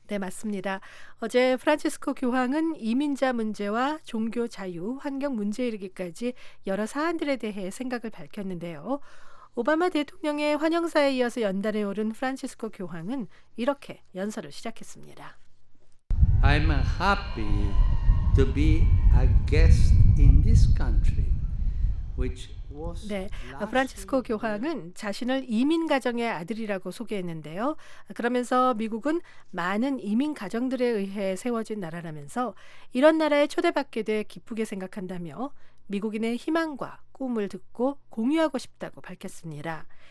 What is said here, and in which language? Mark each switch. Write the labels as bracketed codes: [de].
[ko] 네, 맞습니다. 어제 프란치스코 교황은 이민자 문제와 종교 자유, 환경 문제에 이르기까지 여러 사안들에 대해 생각을 밝혔는데요. 오바마 대통령의 환영사에 이어서 연단에 오른 프란치스코 교황은 이렇게 연설을 시작했습니다. [en] I'm happy to be a guest in this country, which was [ko] 네, 프란치스코 교황은 자신을 이민 가정의 아들이라고 소개했는데요. 그러면서 미국은 많은 이민 가정들에 의해 세워진 나라라면서 이런 나라에 초대받게 돼 기쁘게 생각한다며 미국인의 희망과 꿈을 듣고 공유하고 싶다고 밝혔습니다.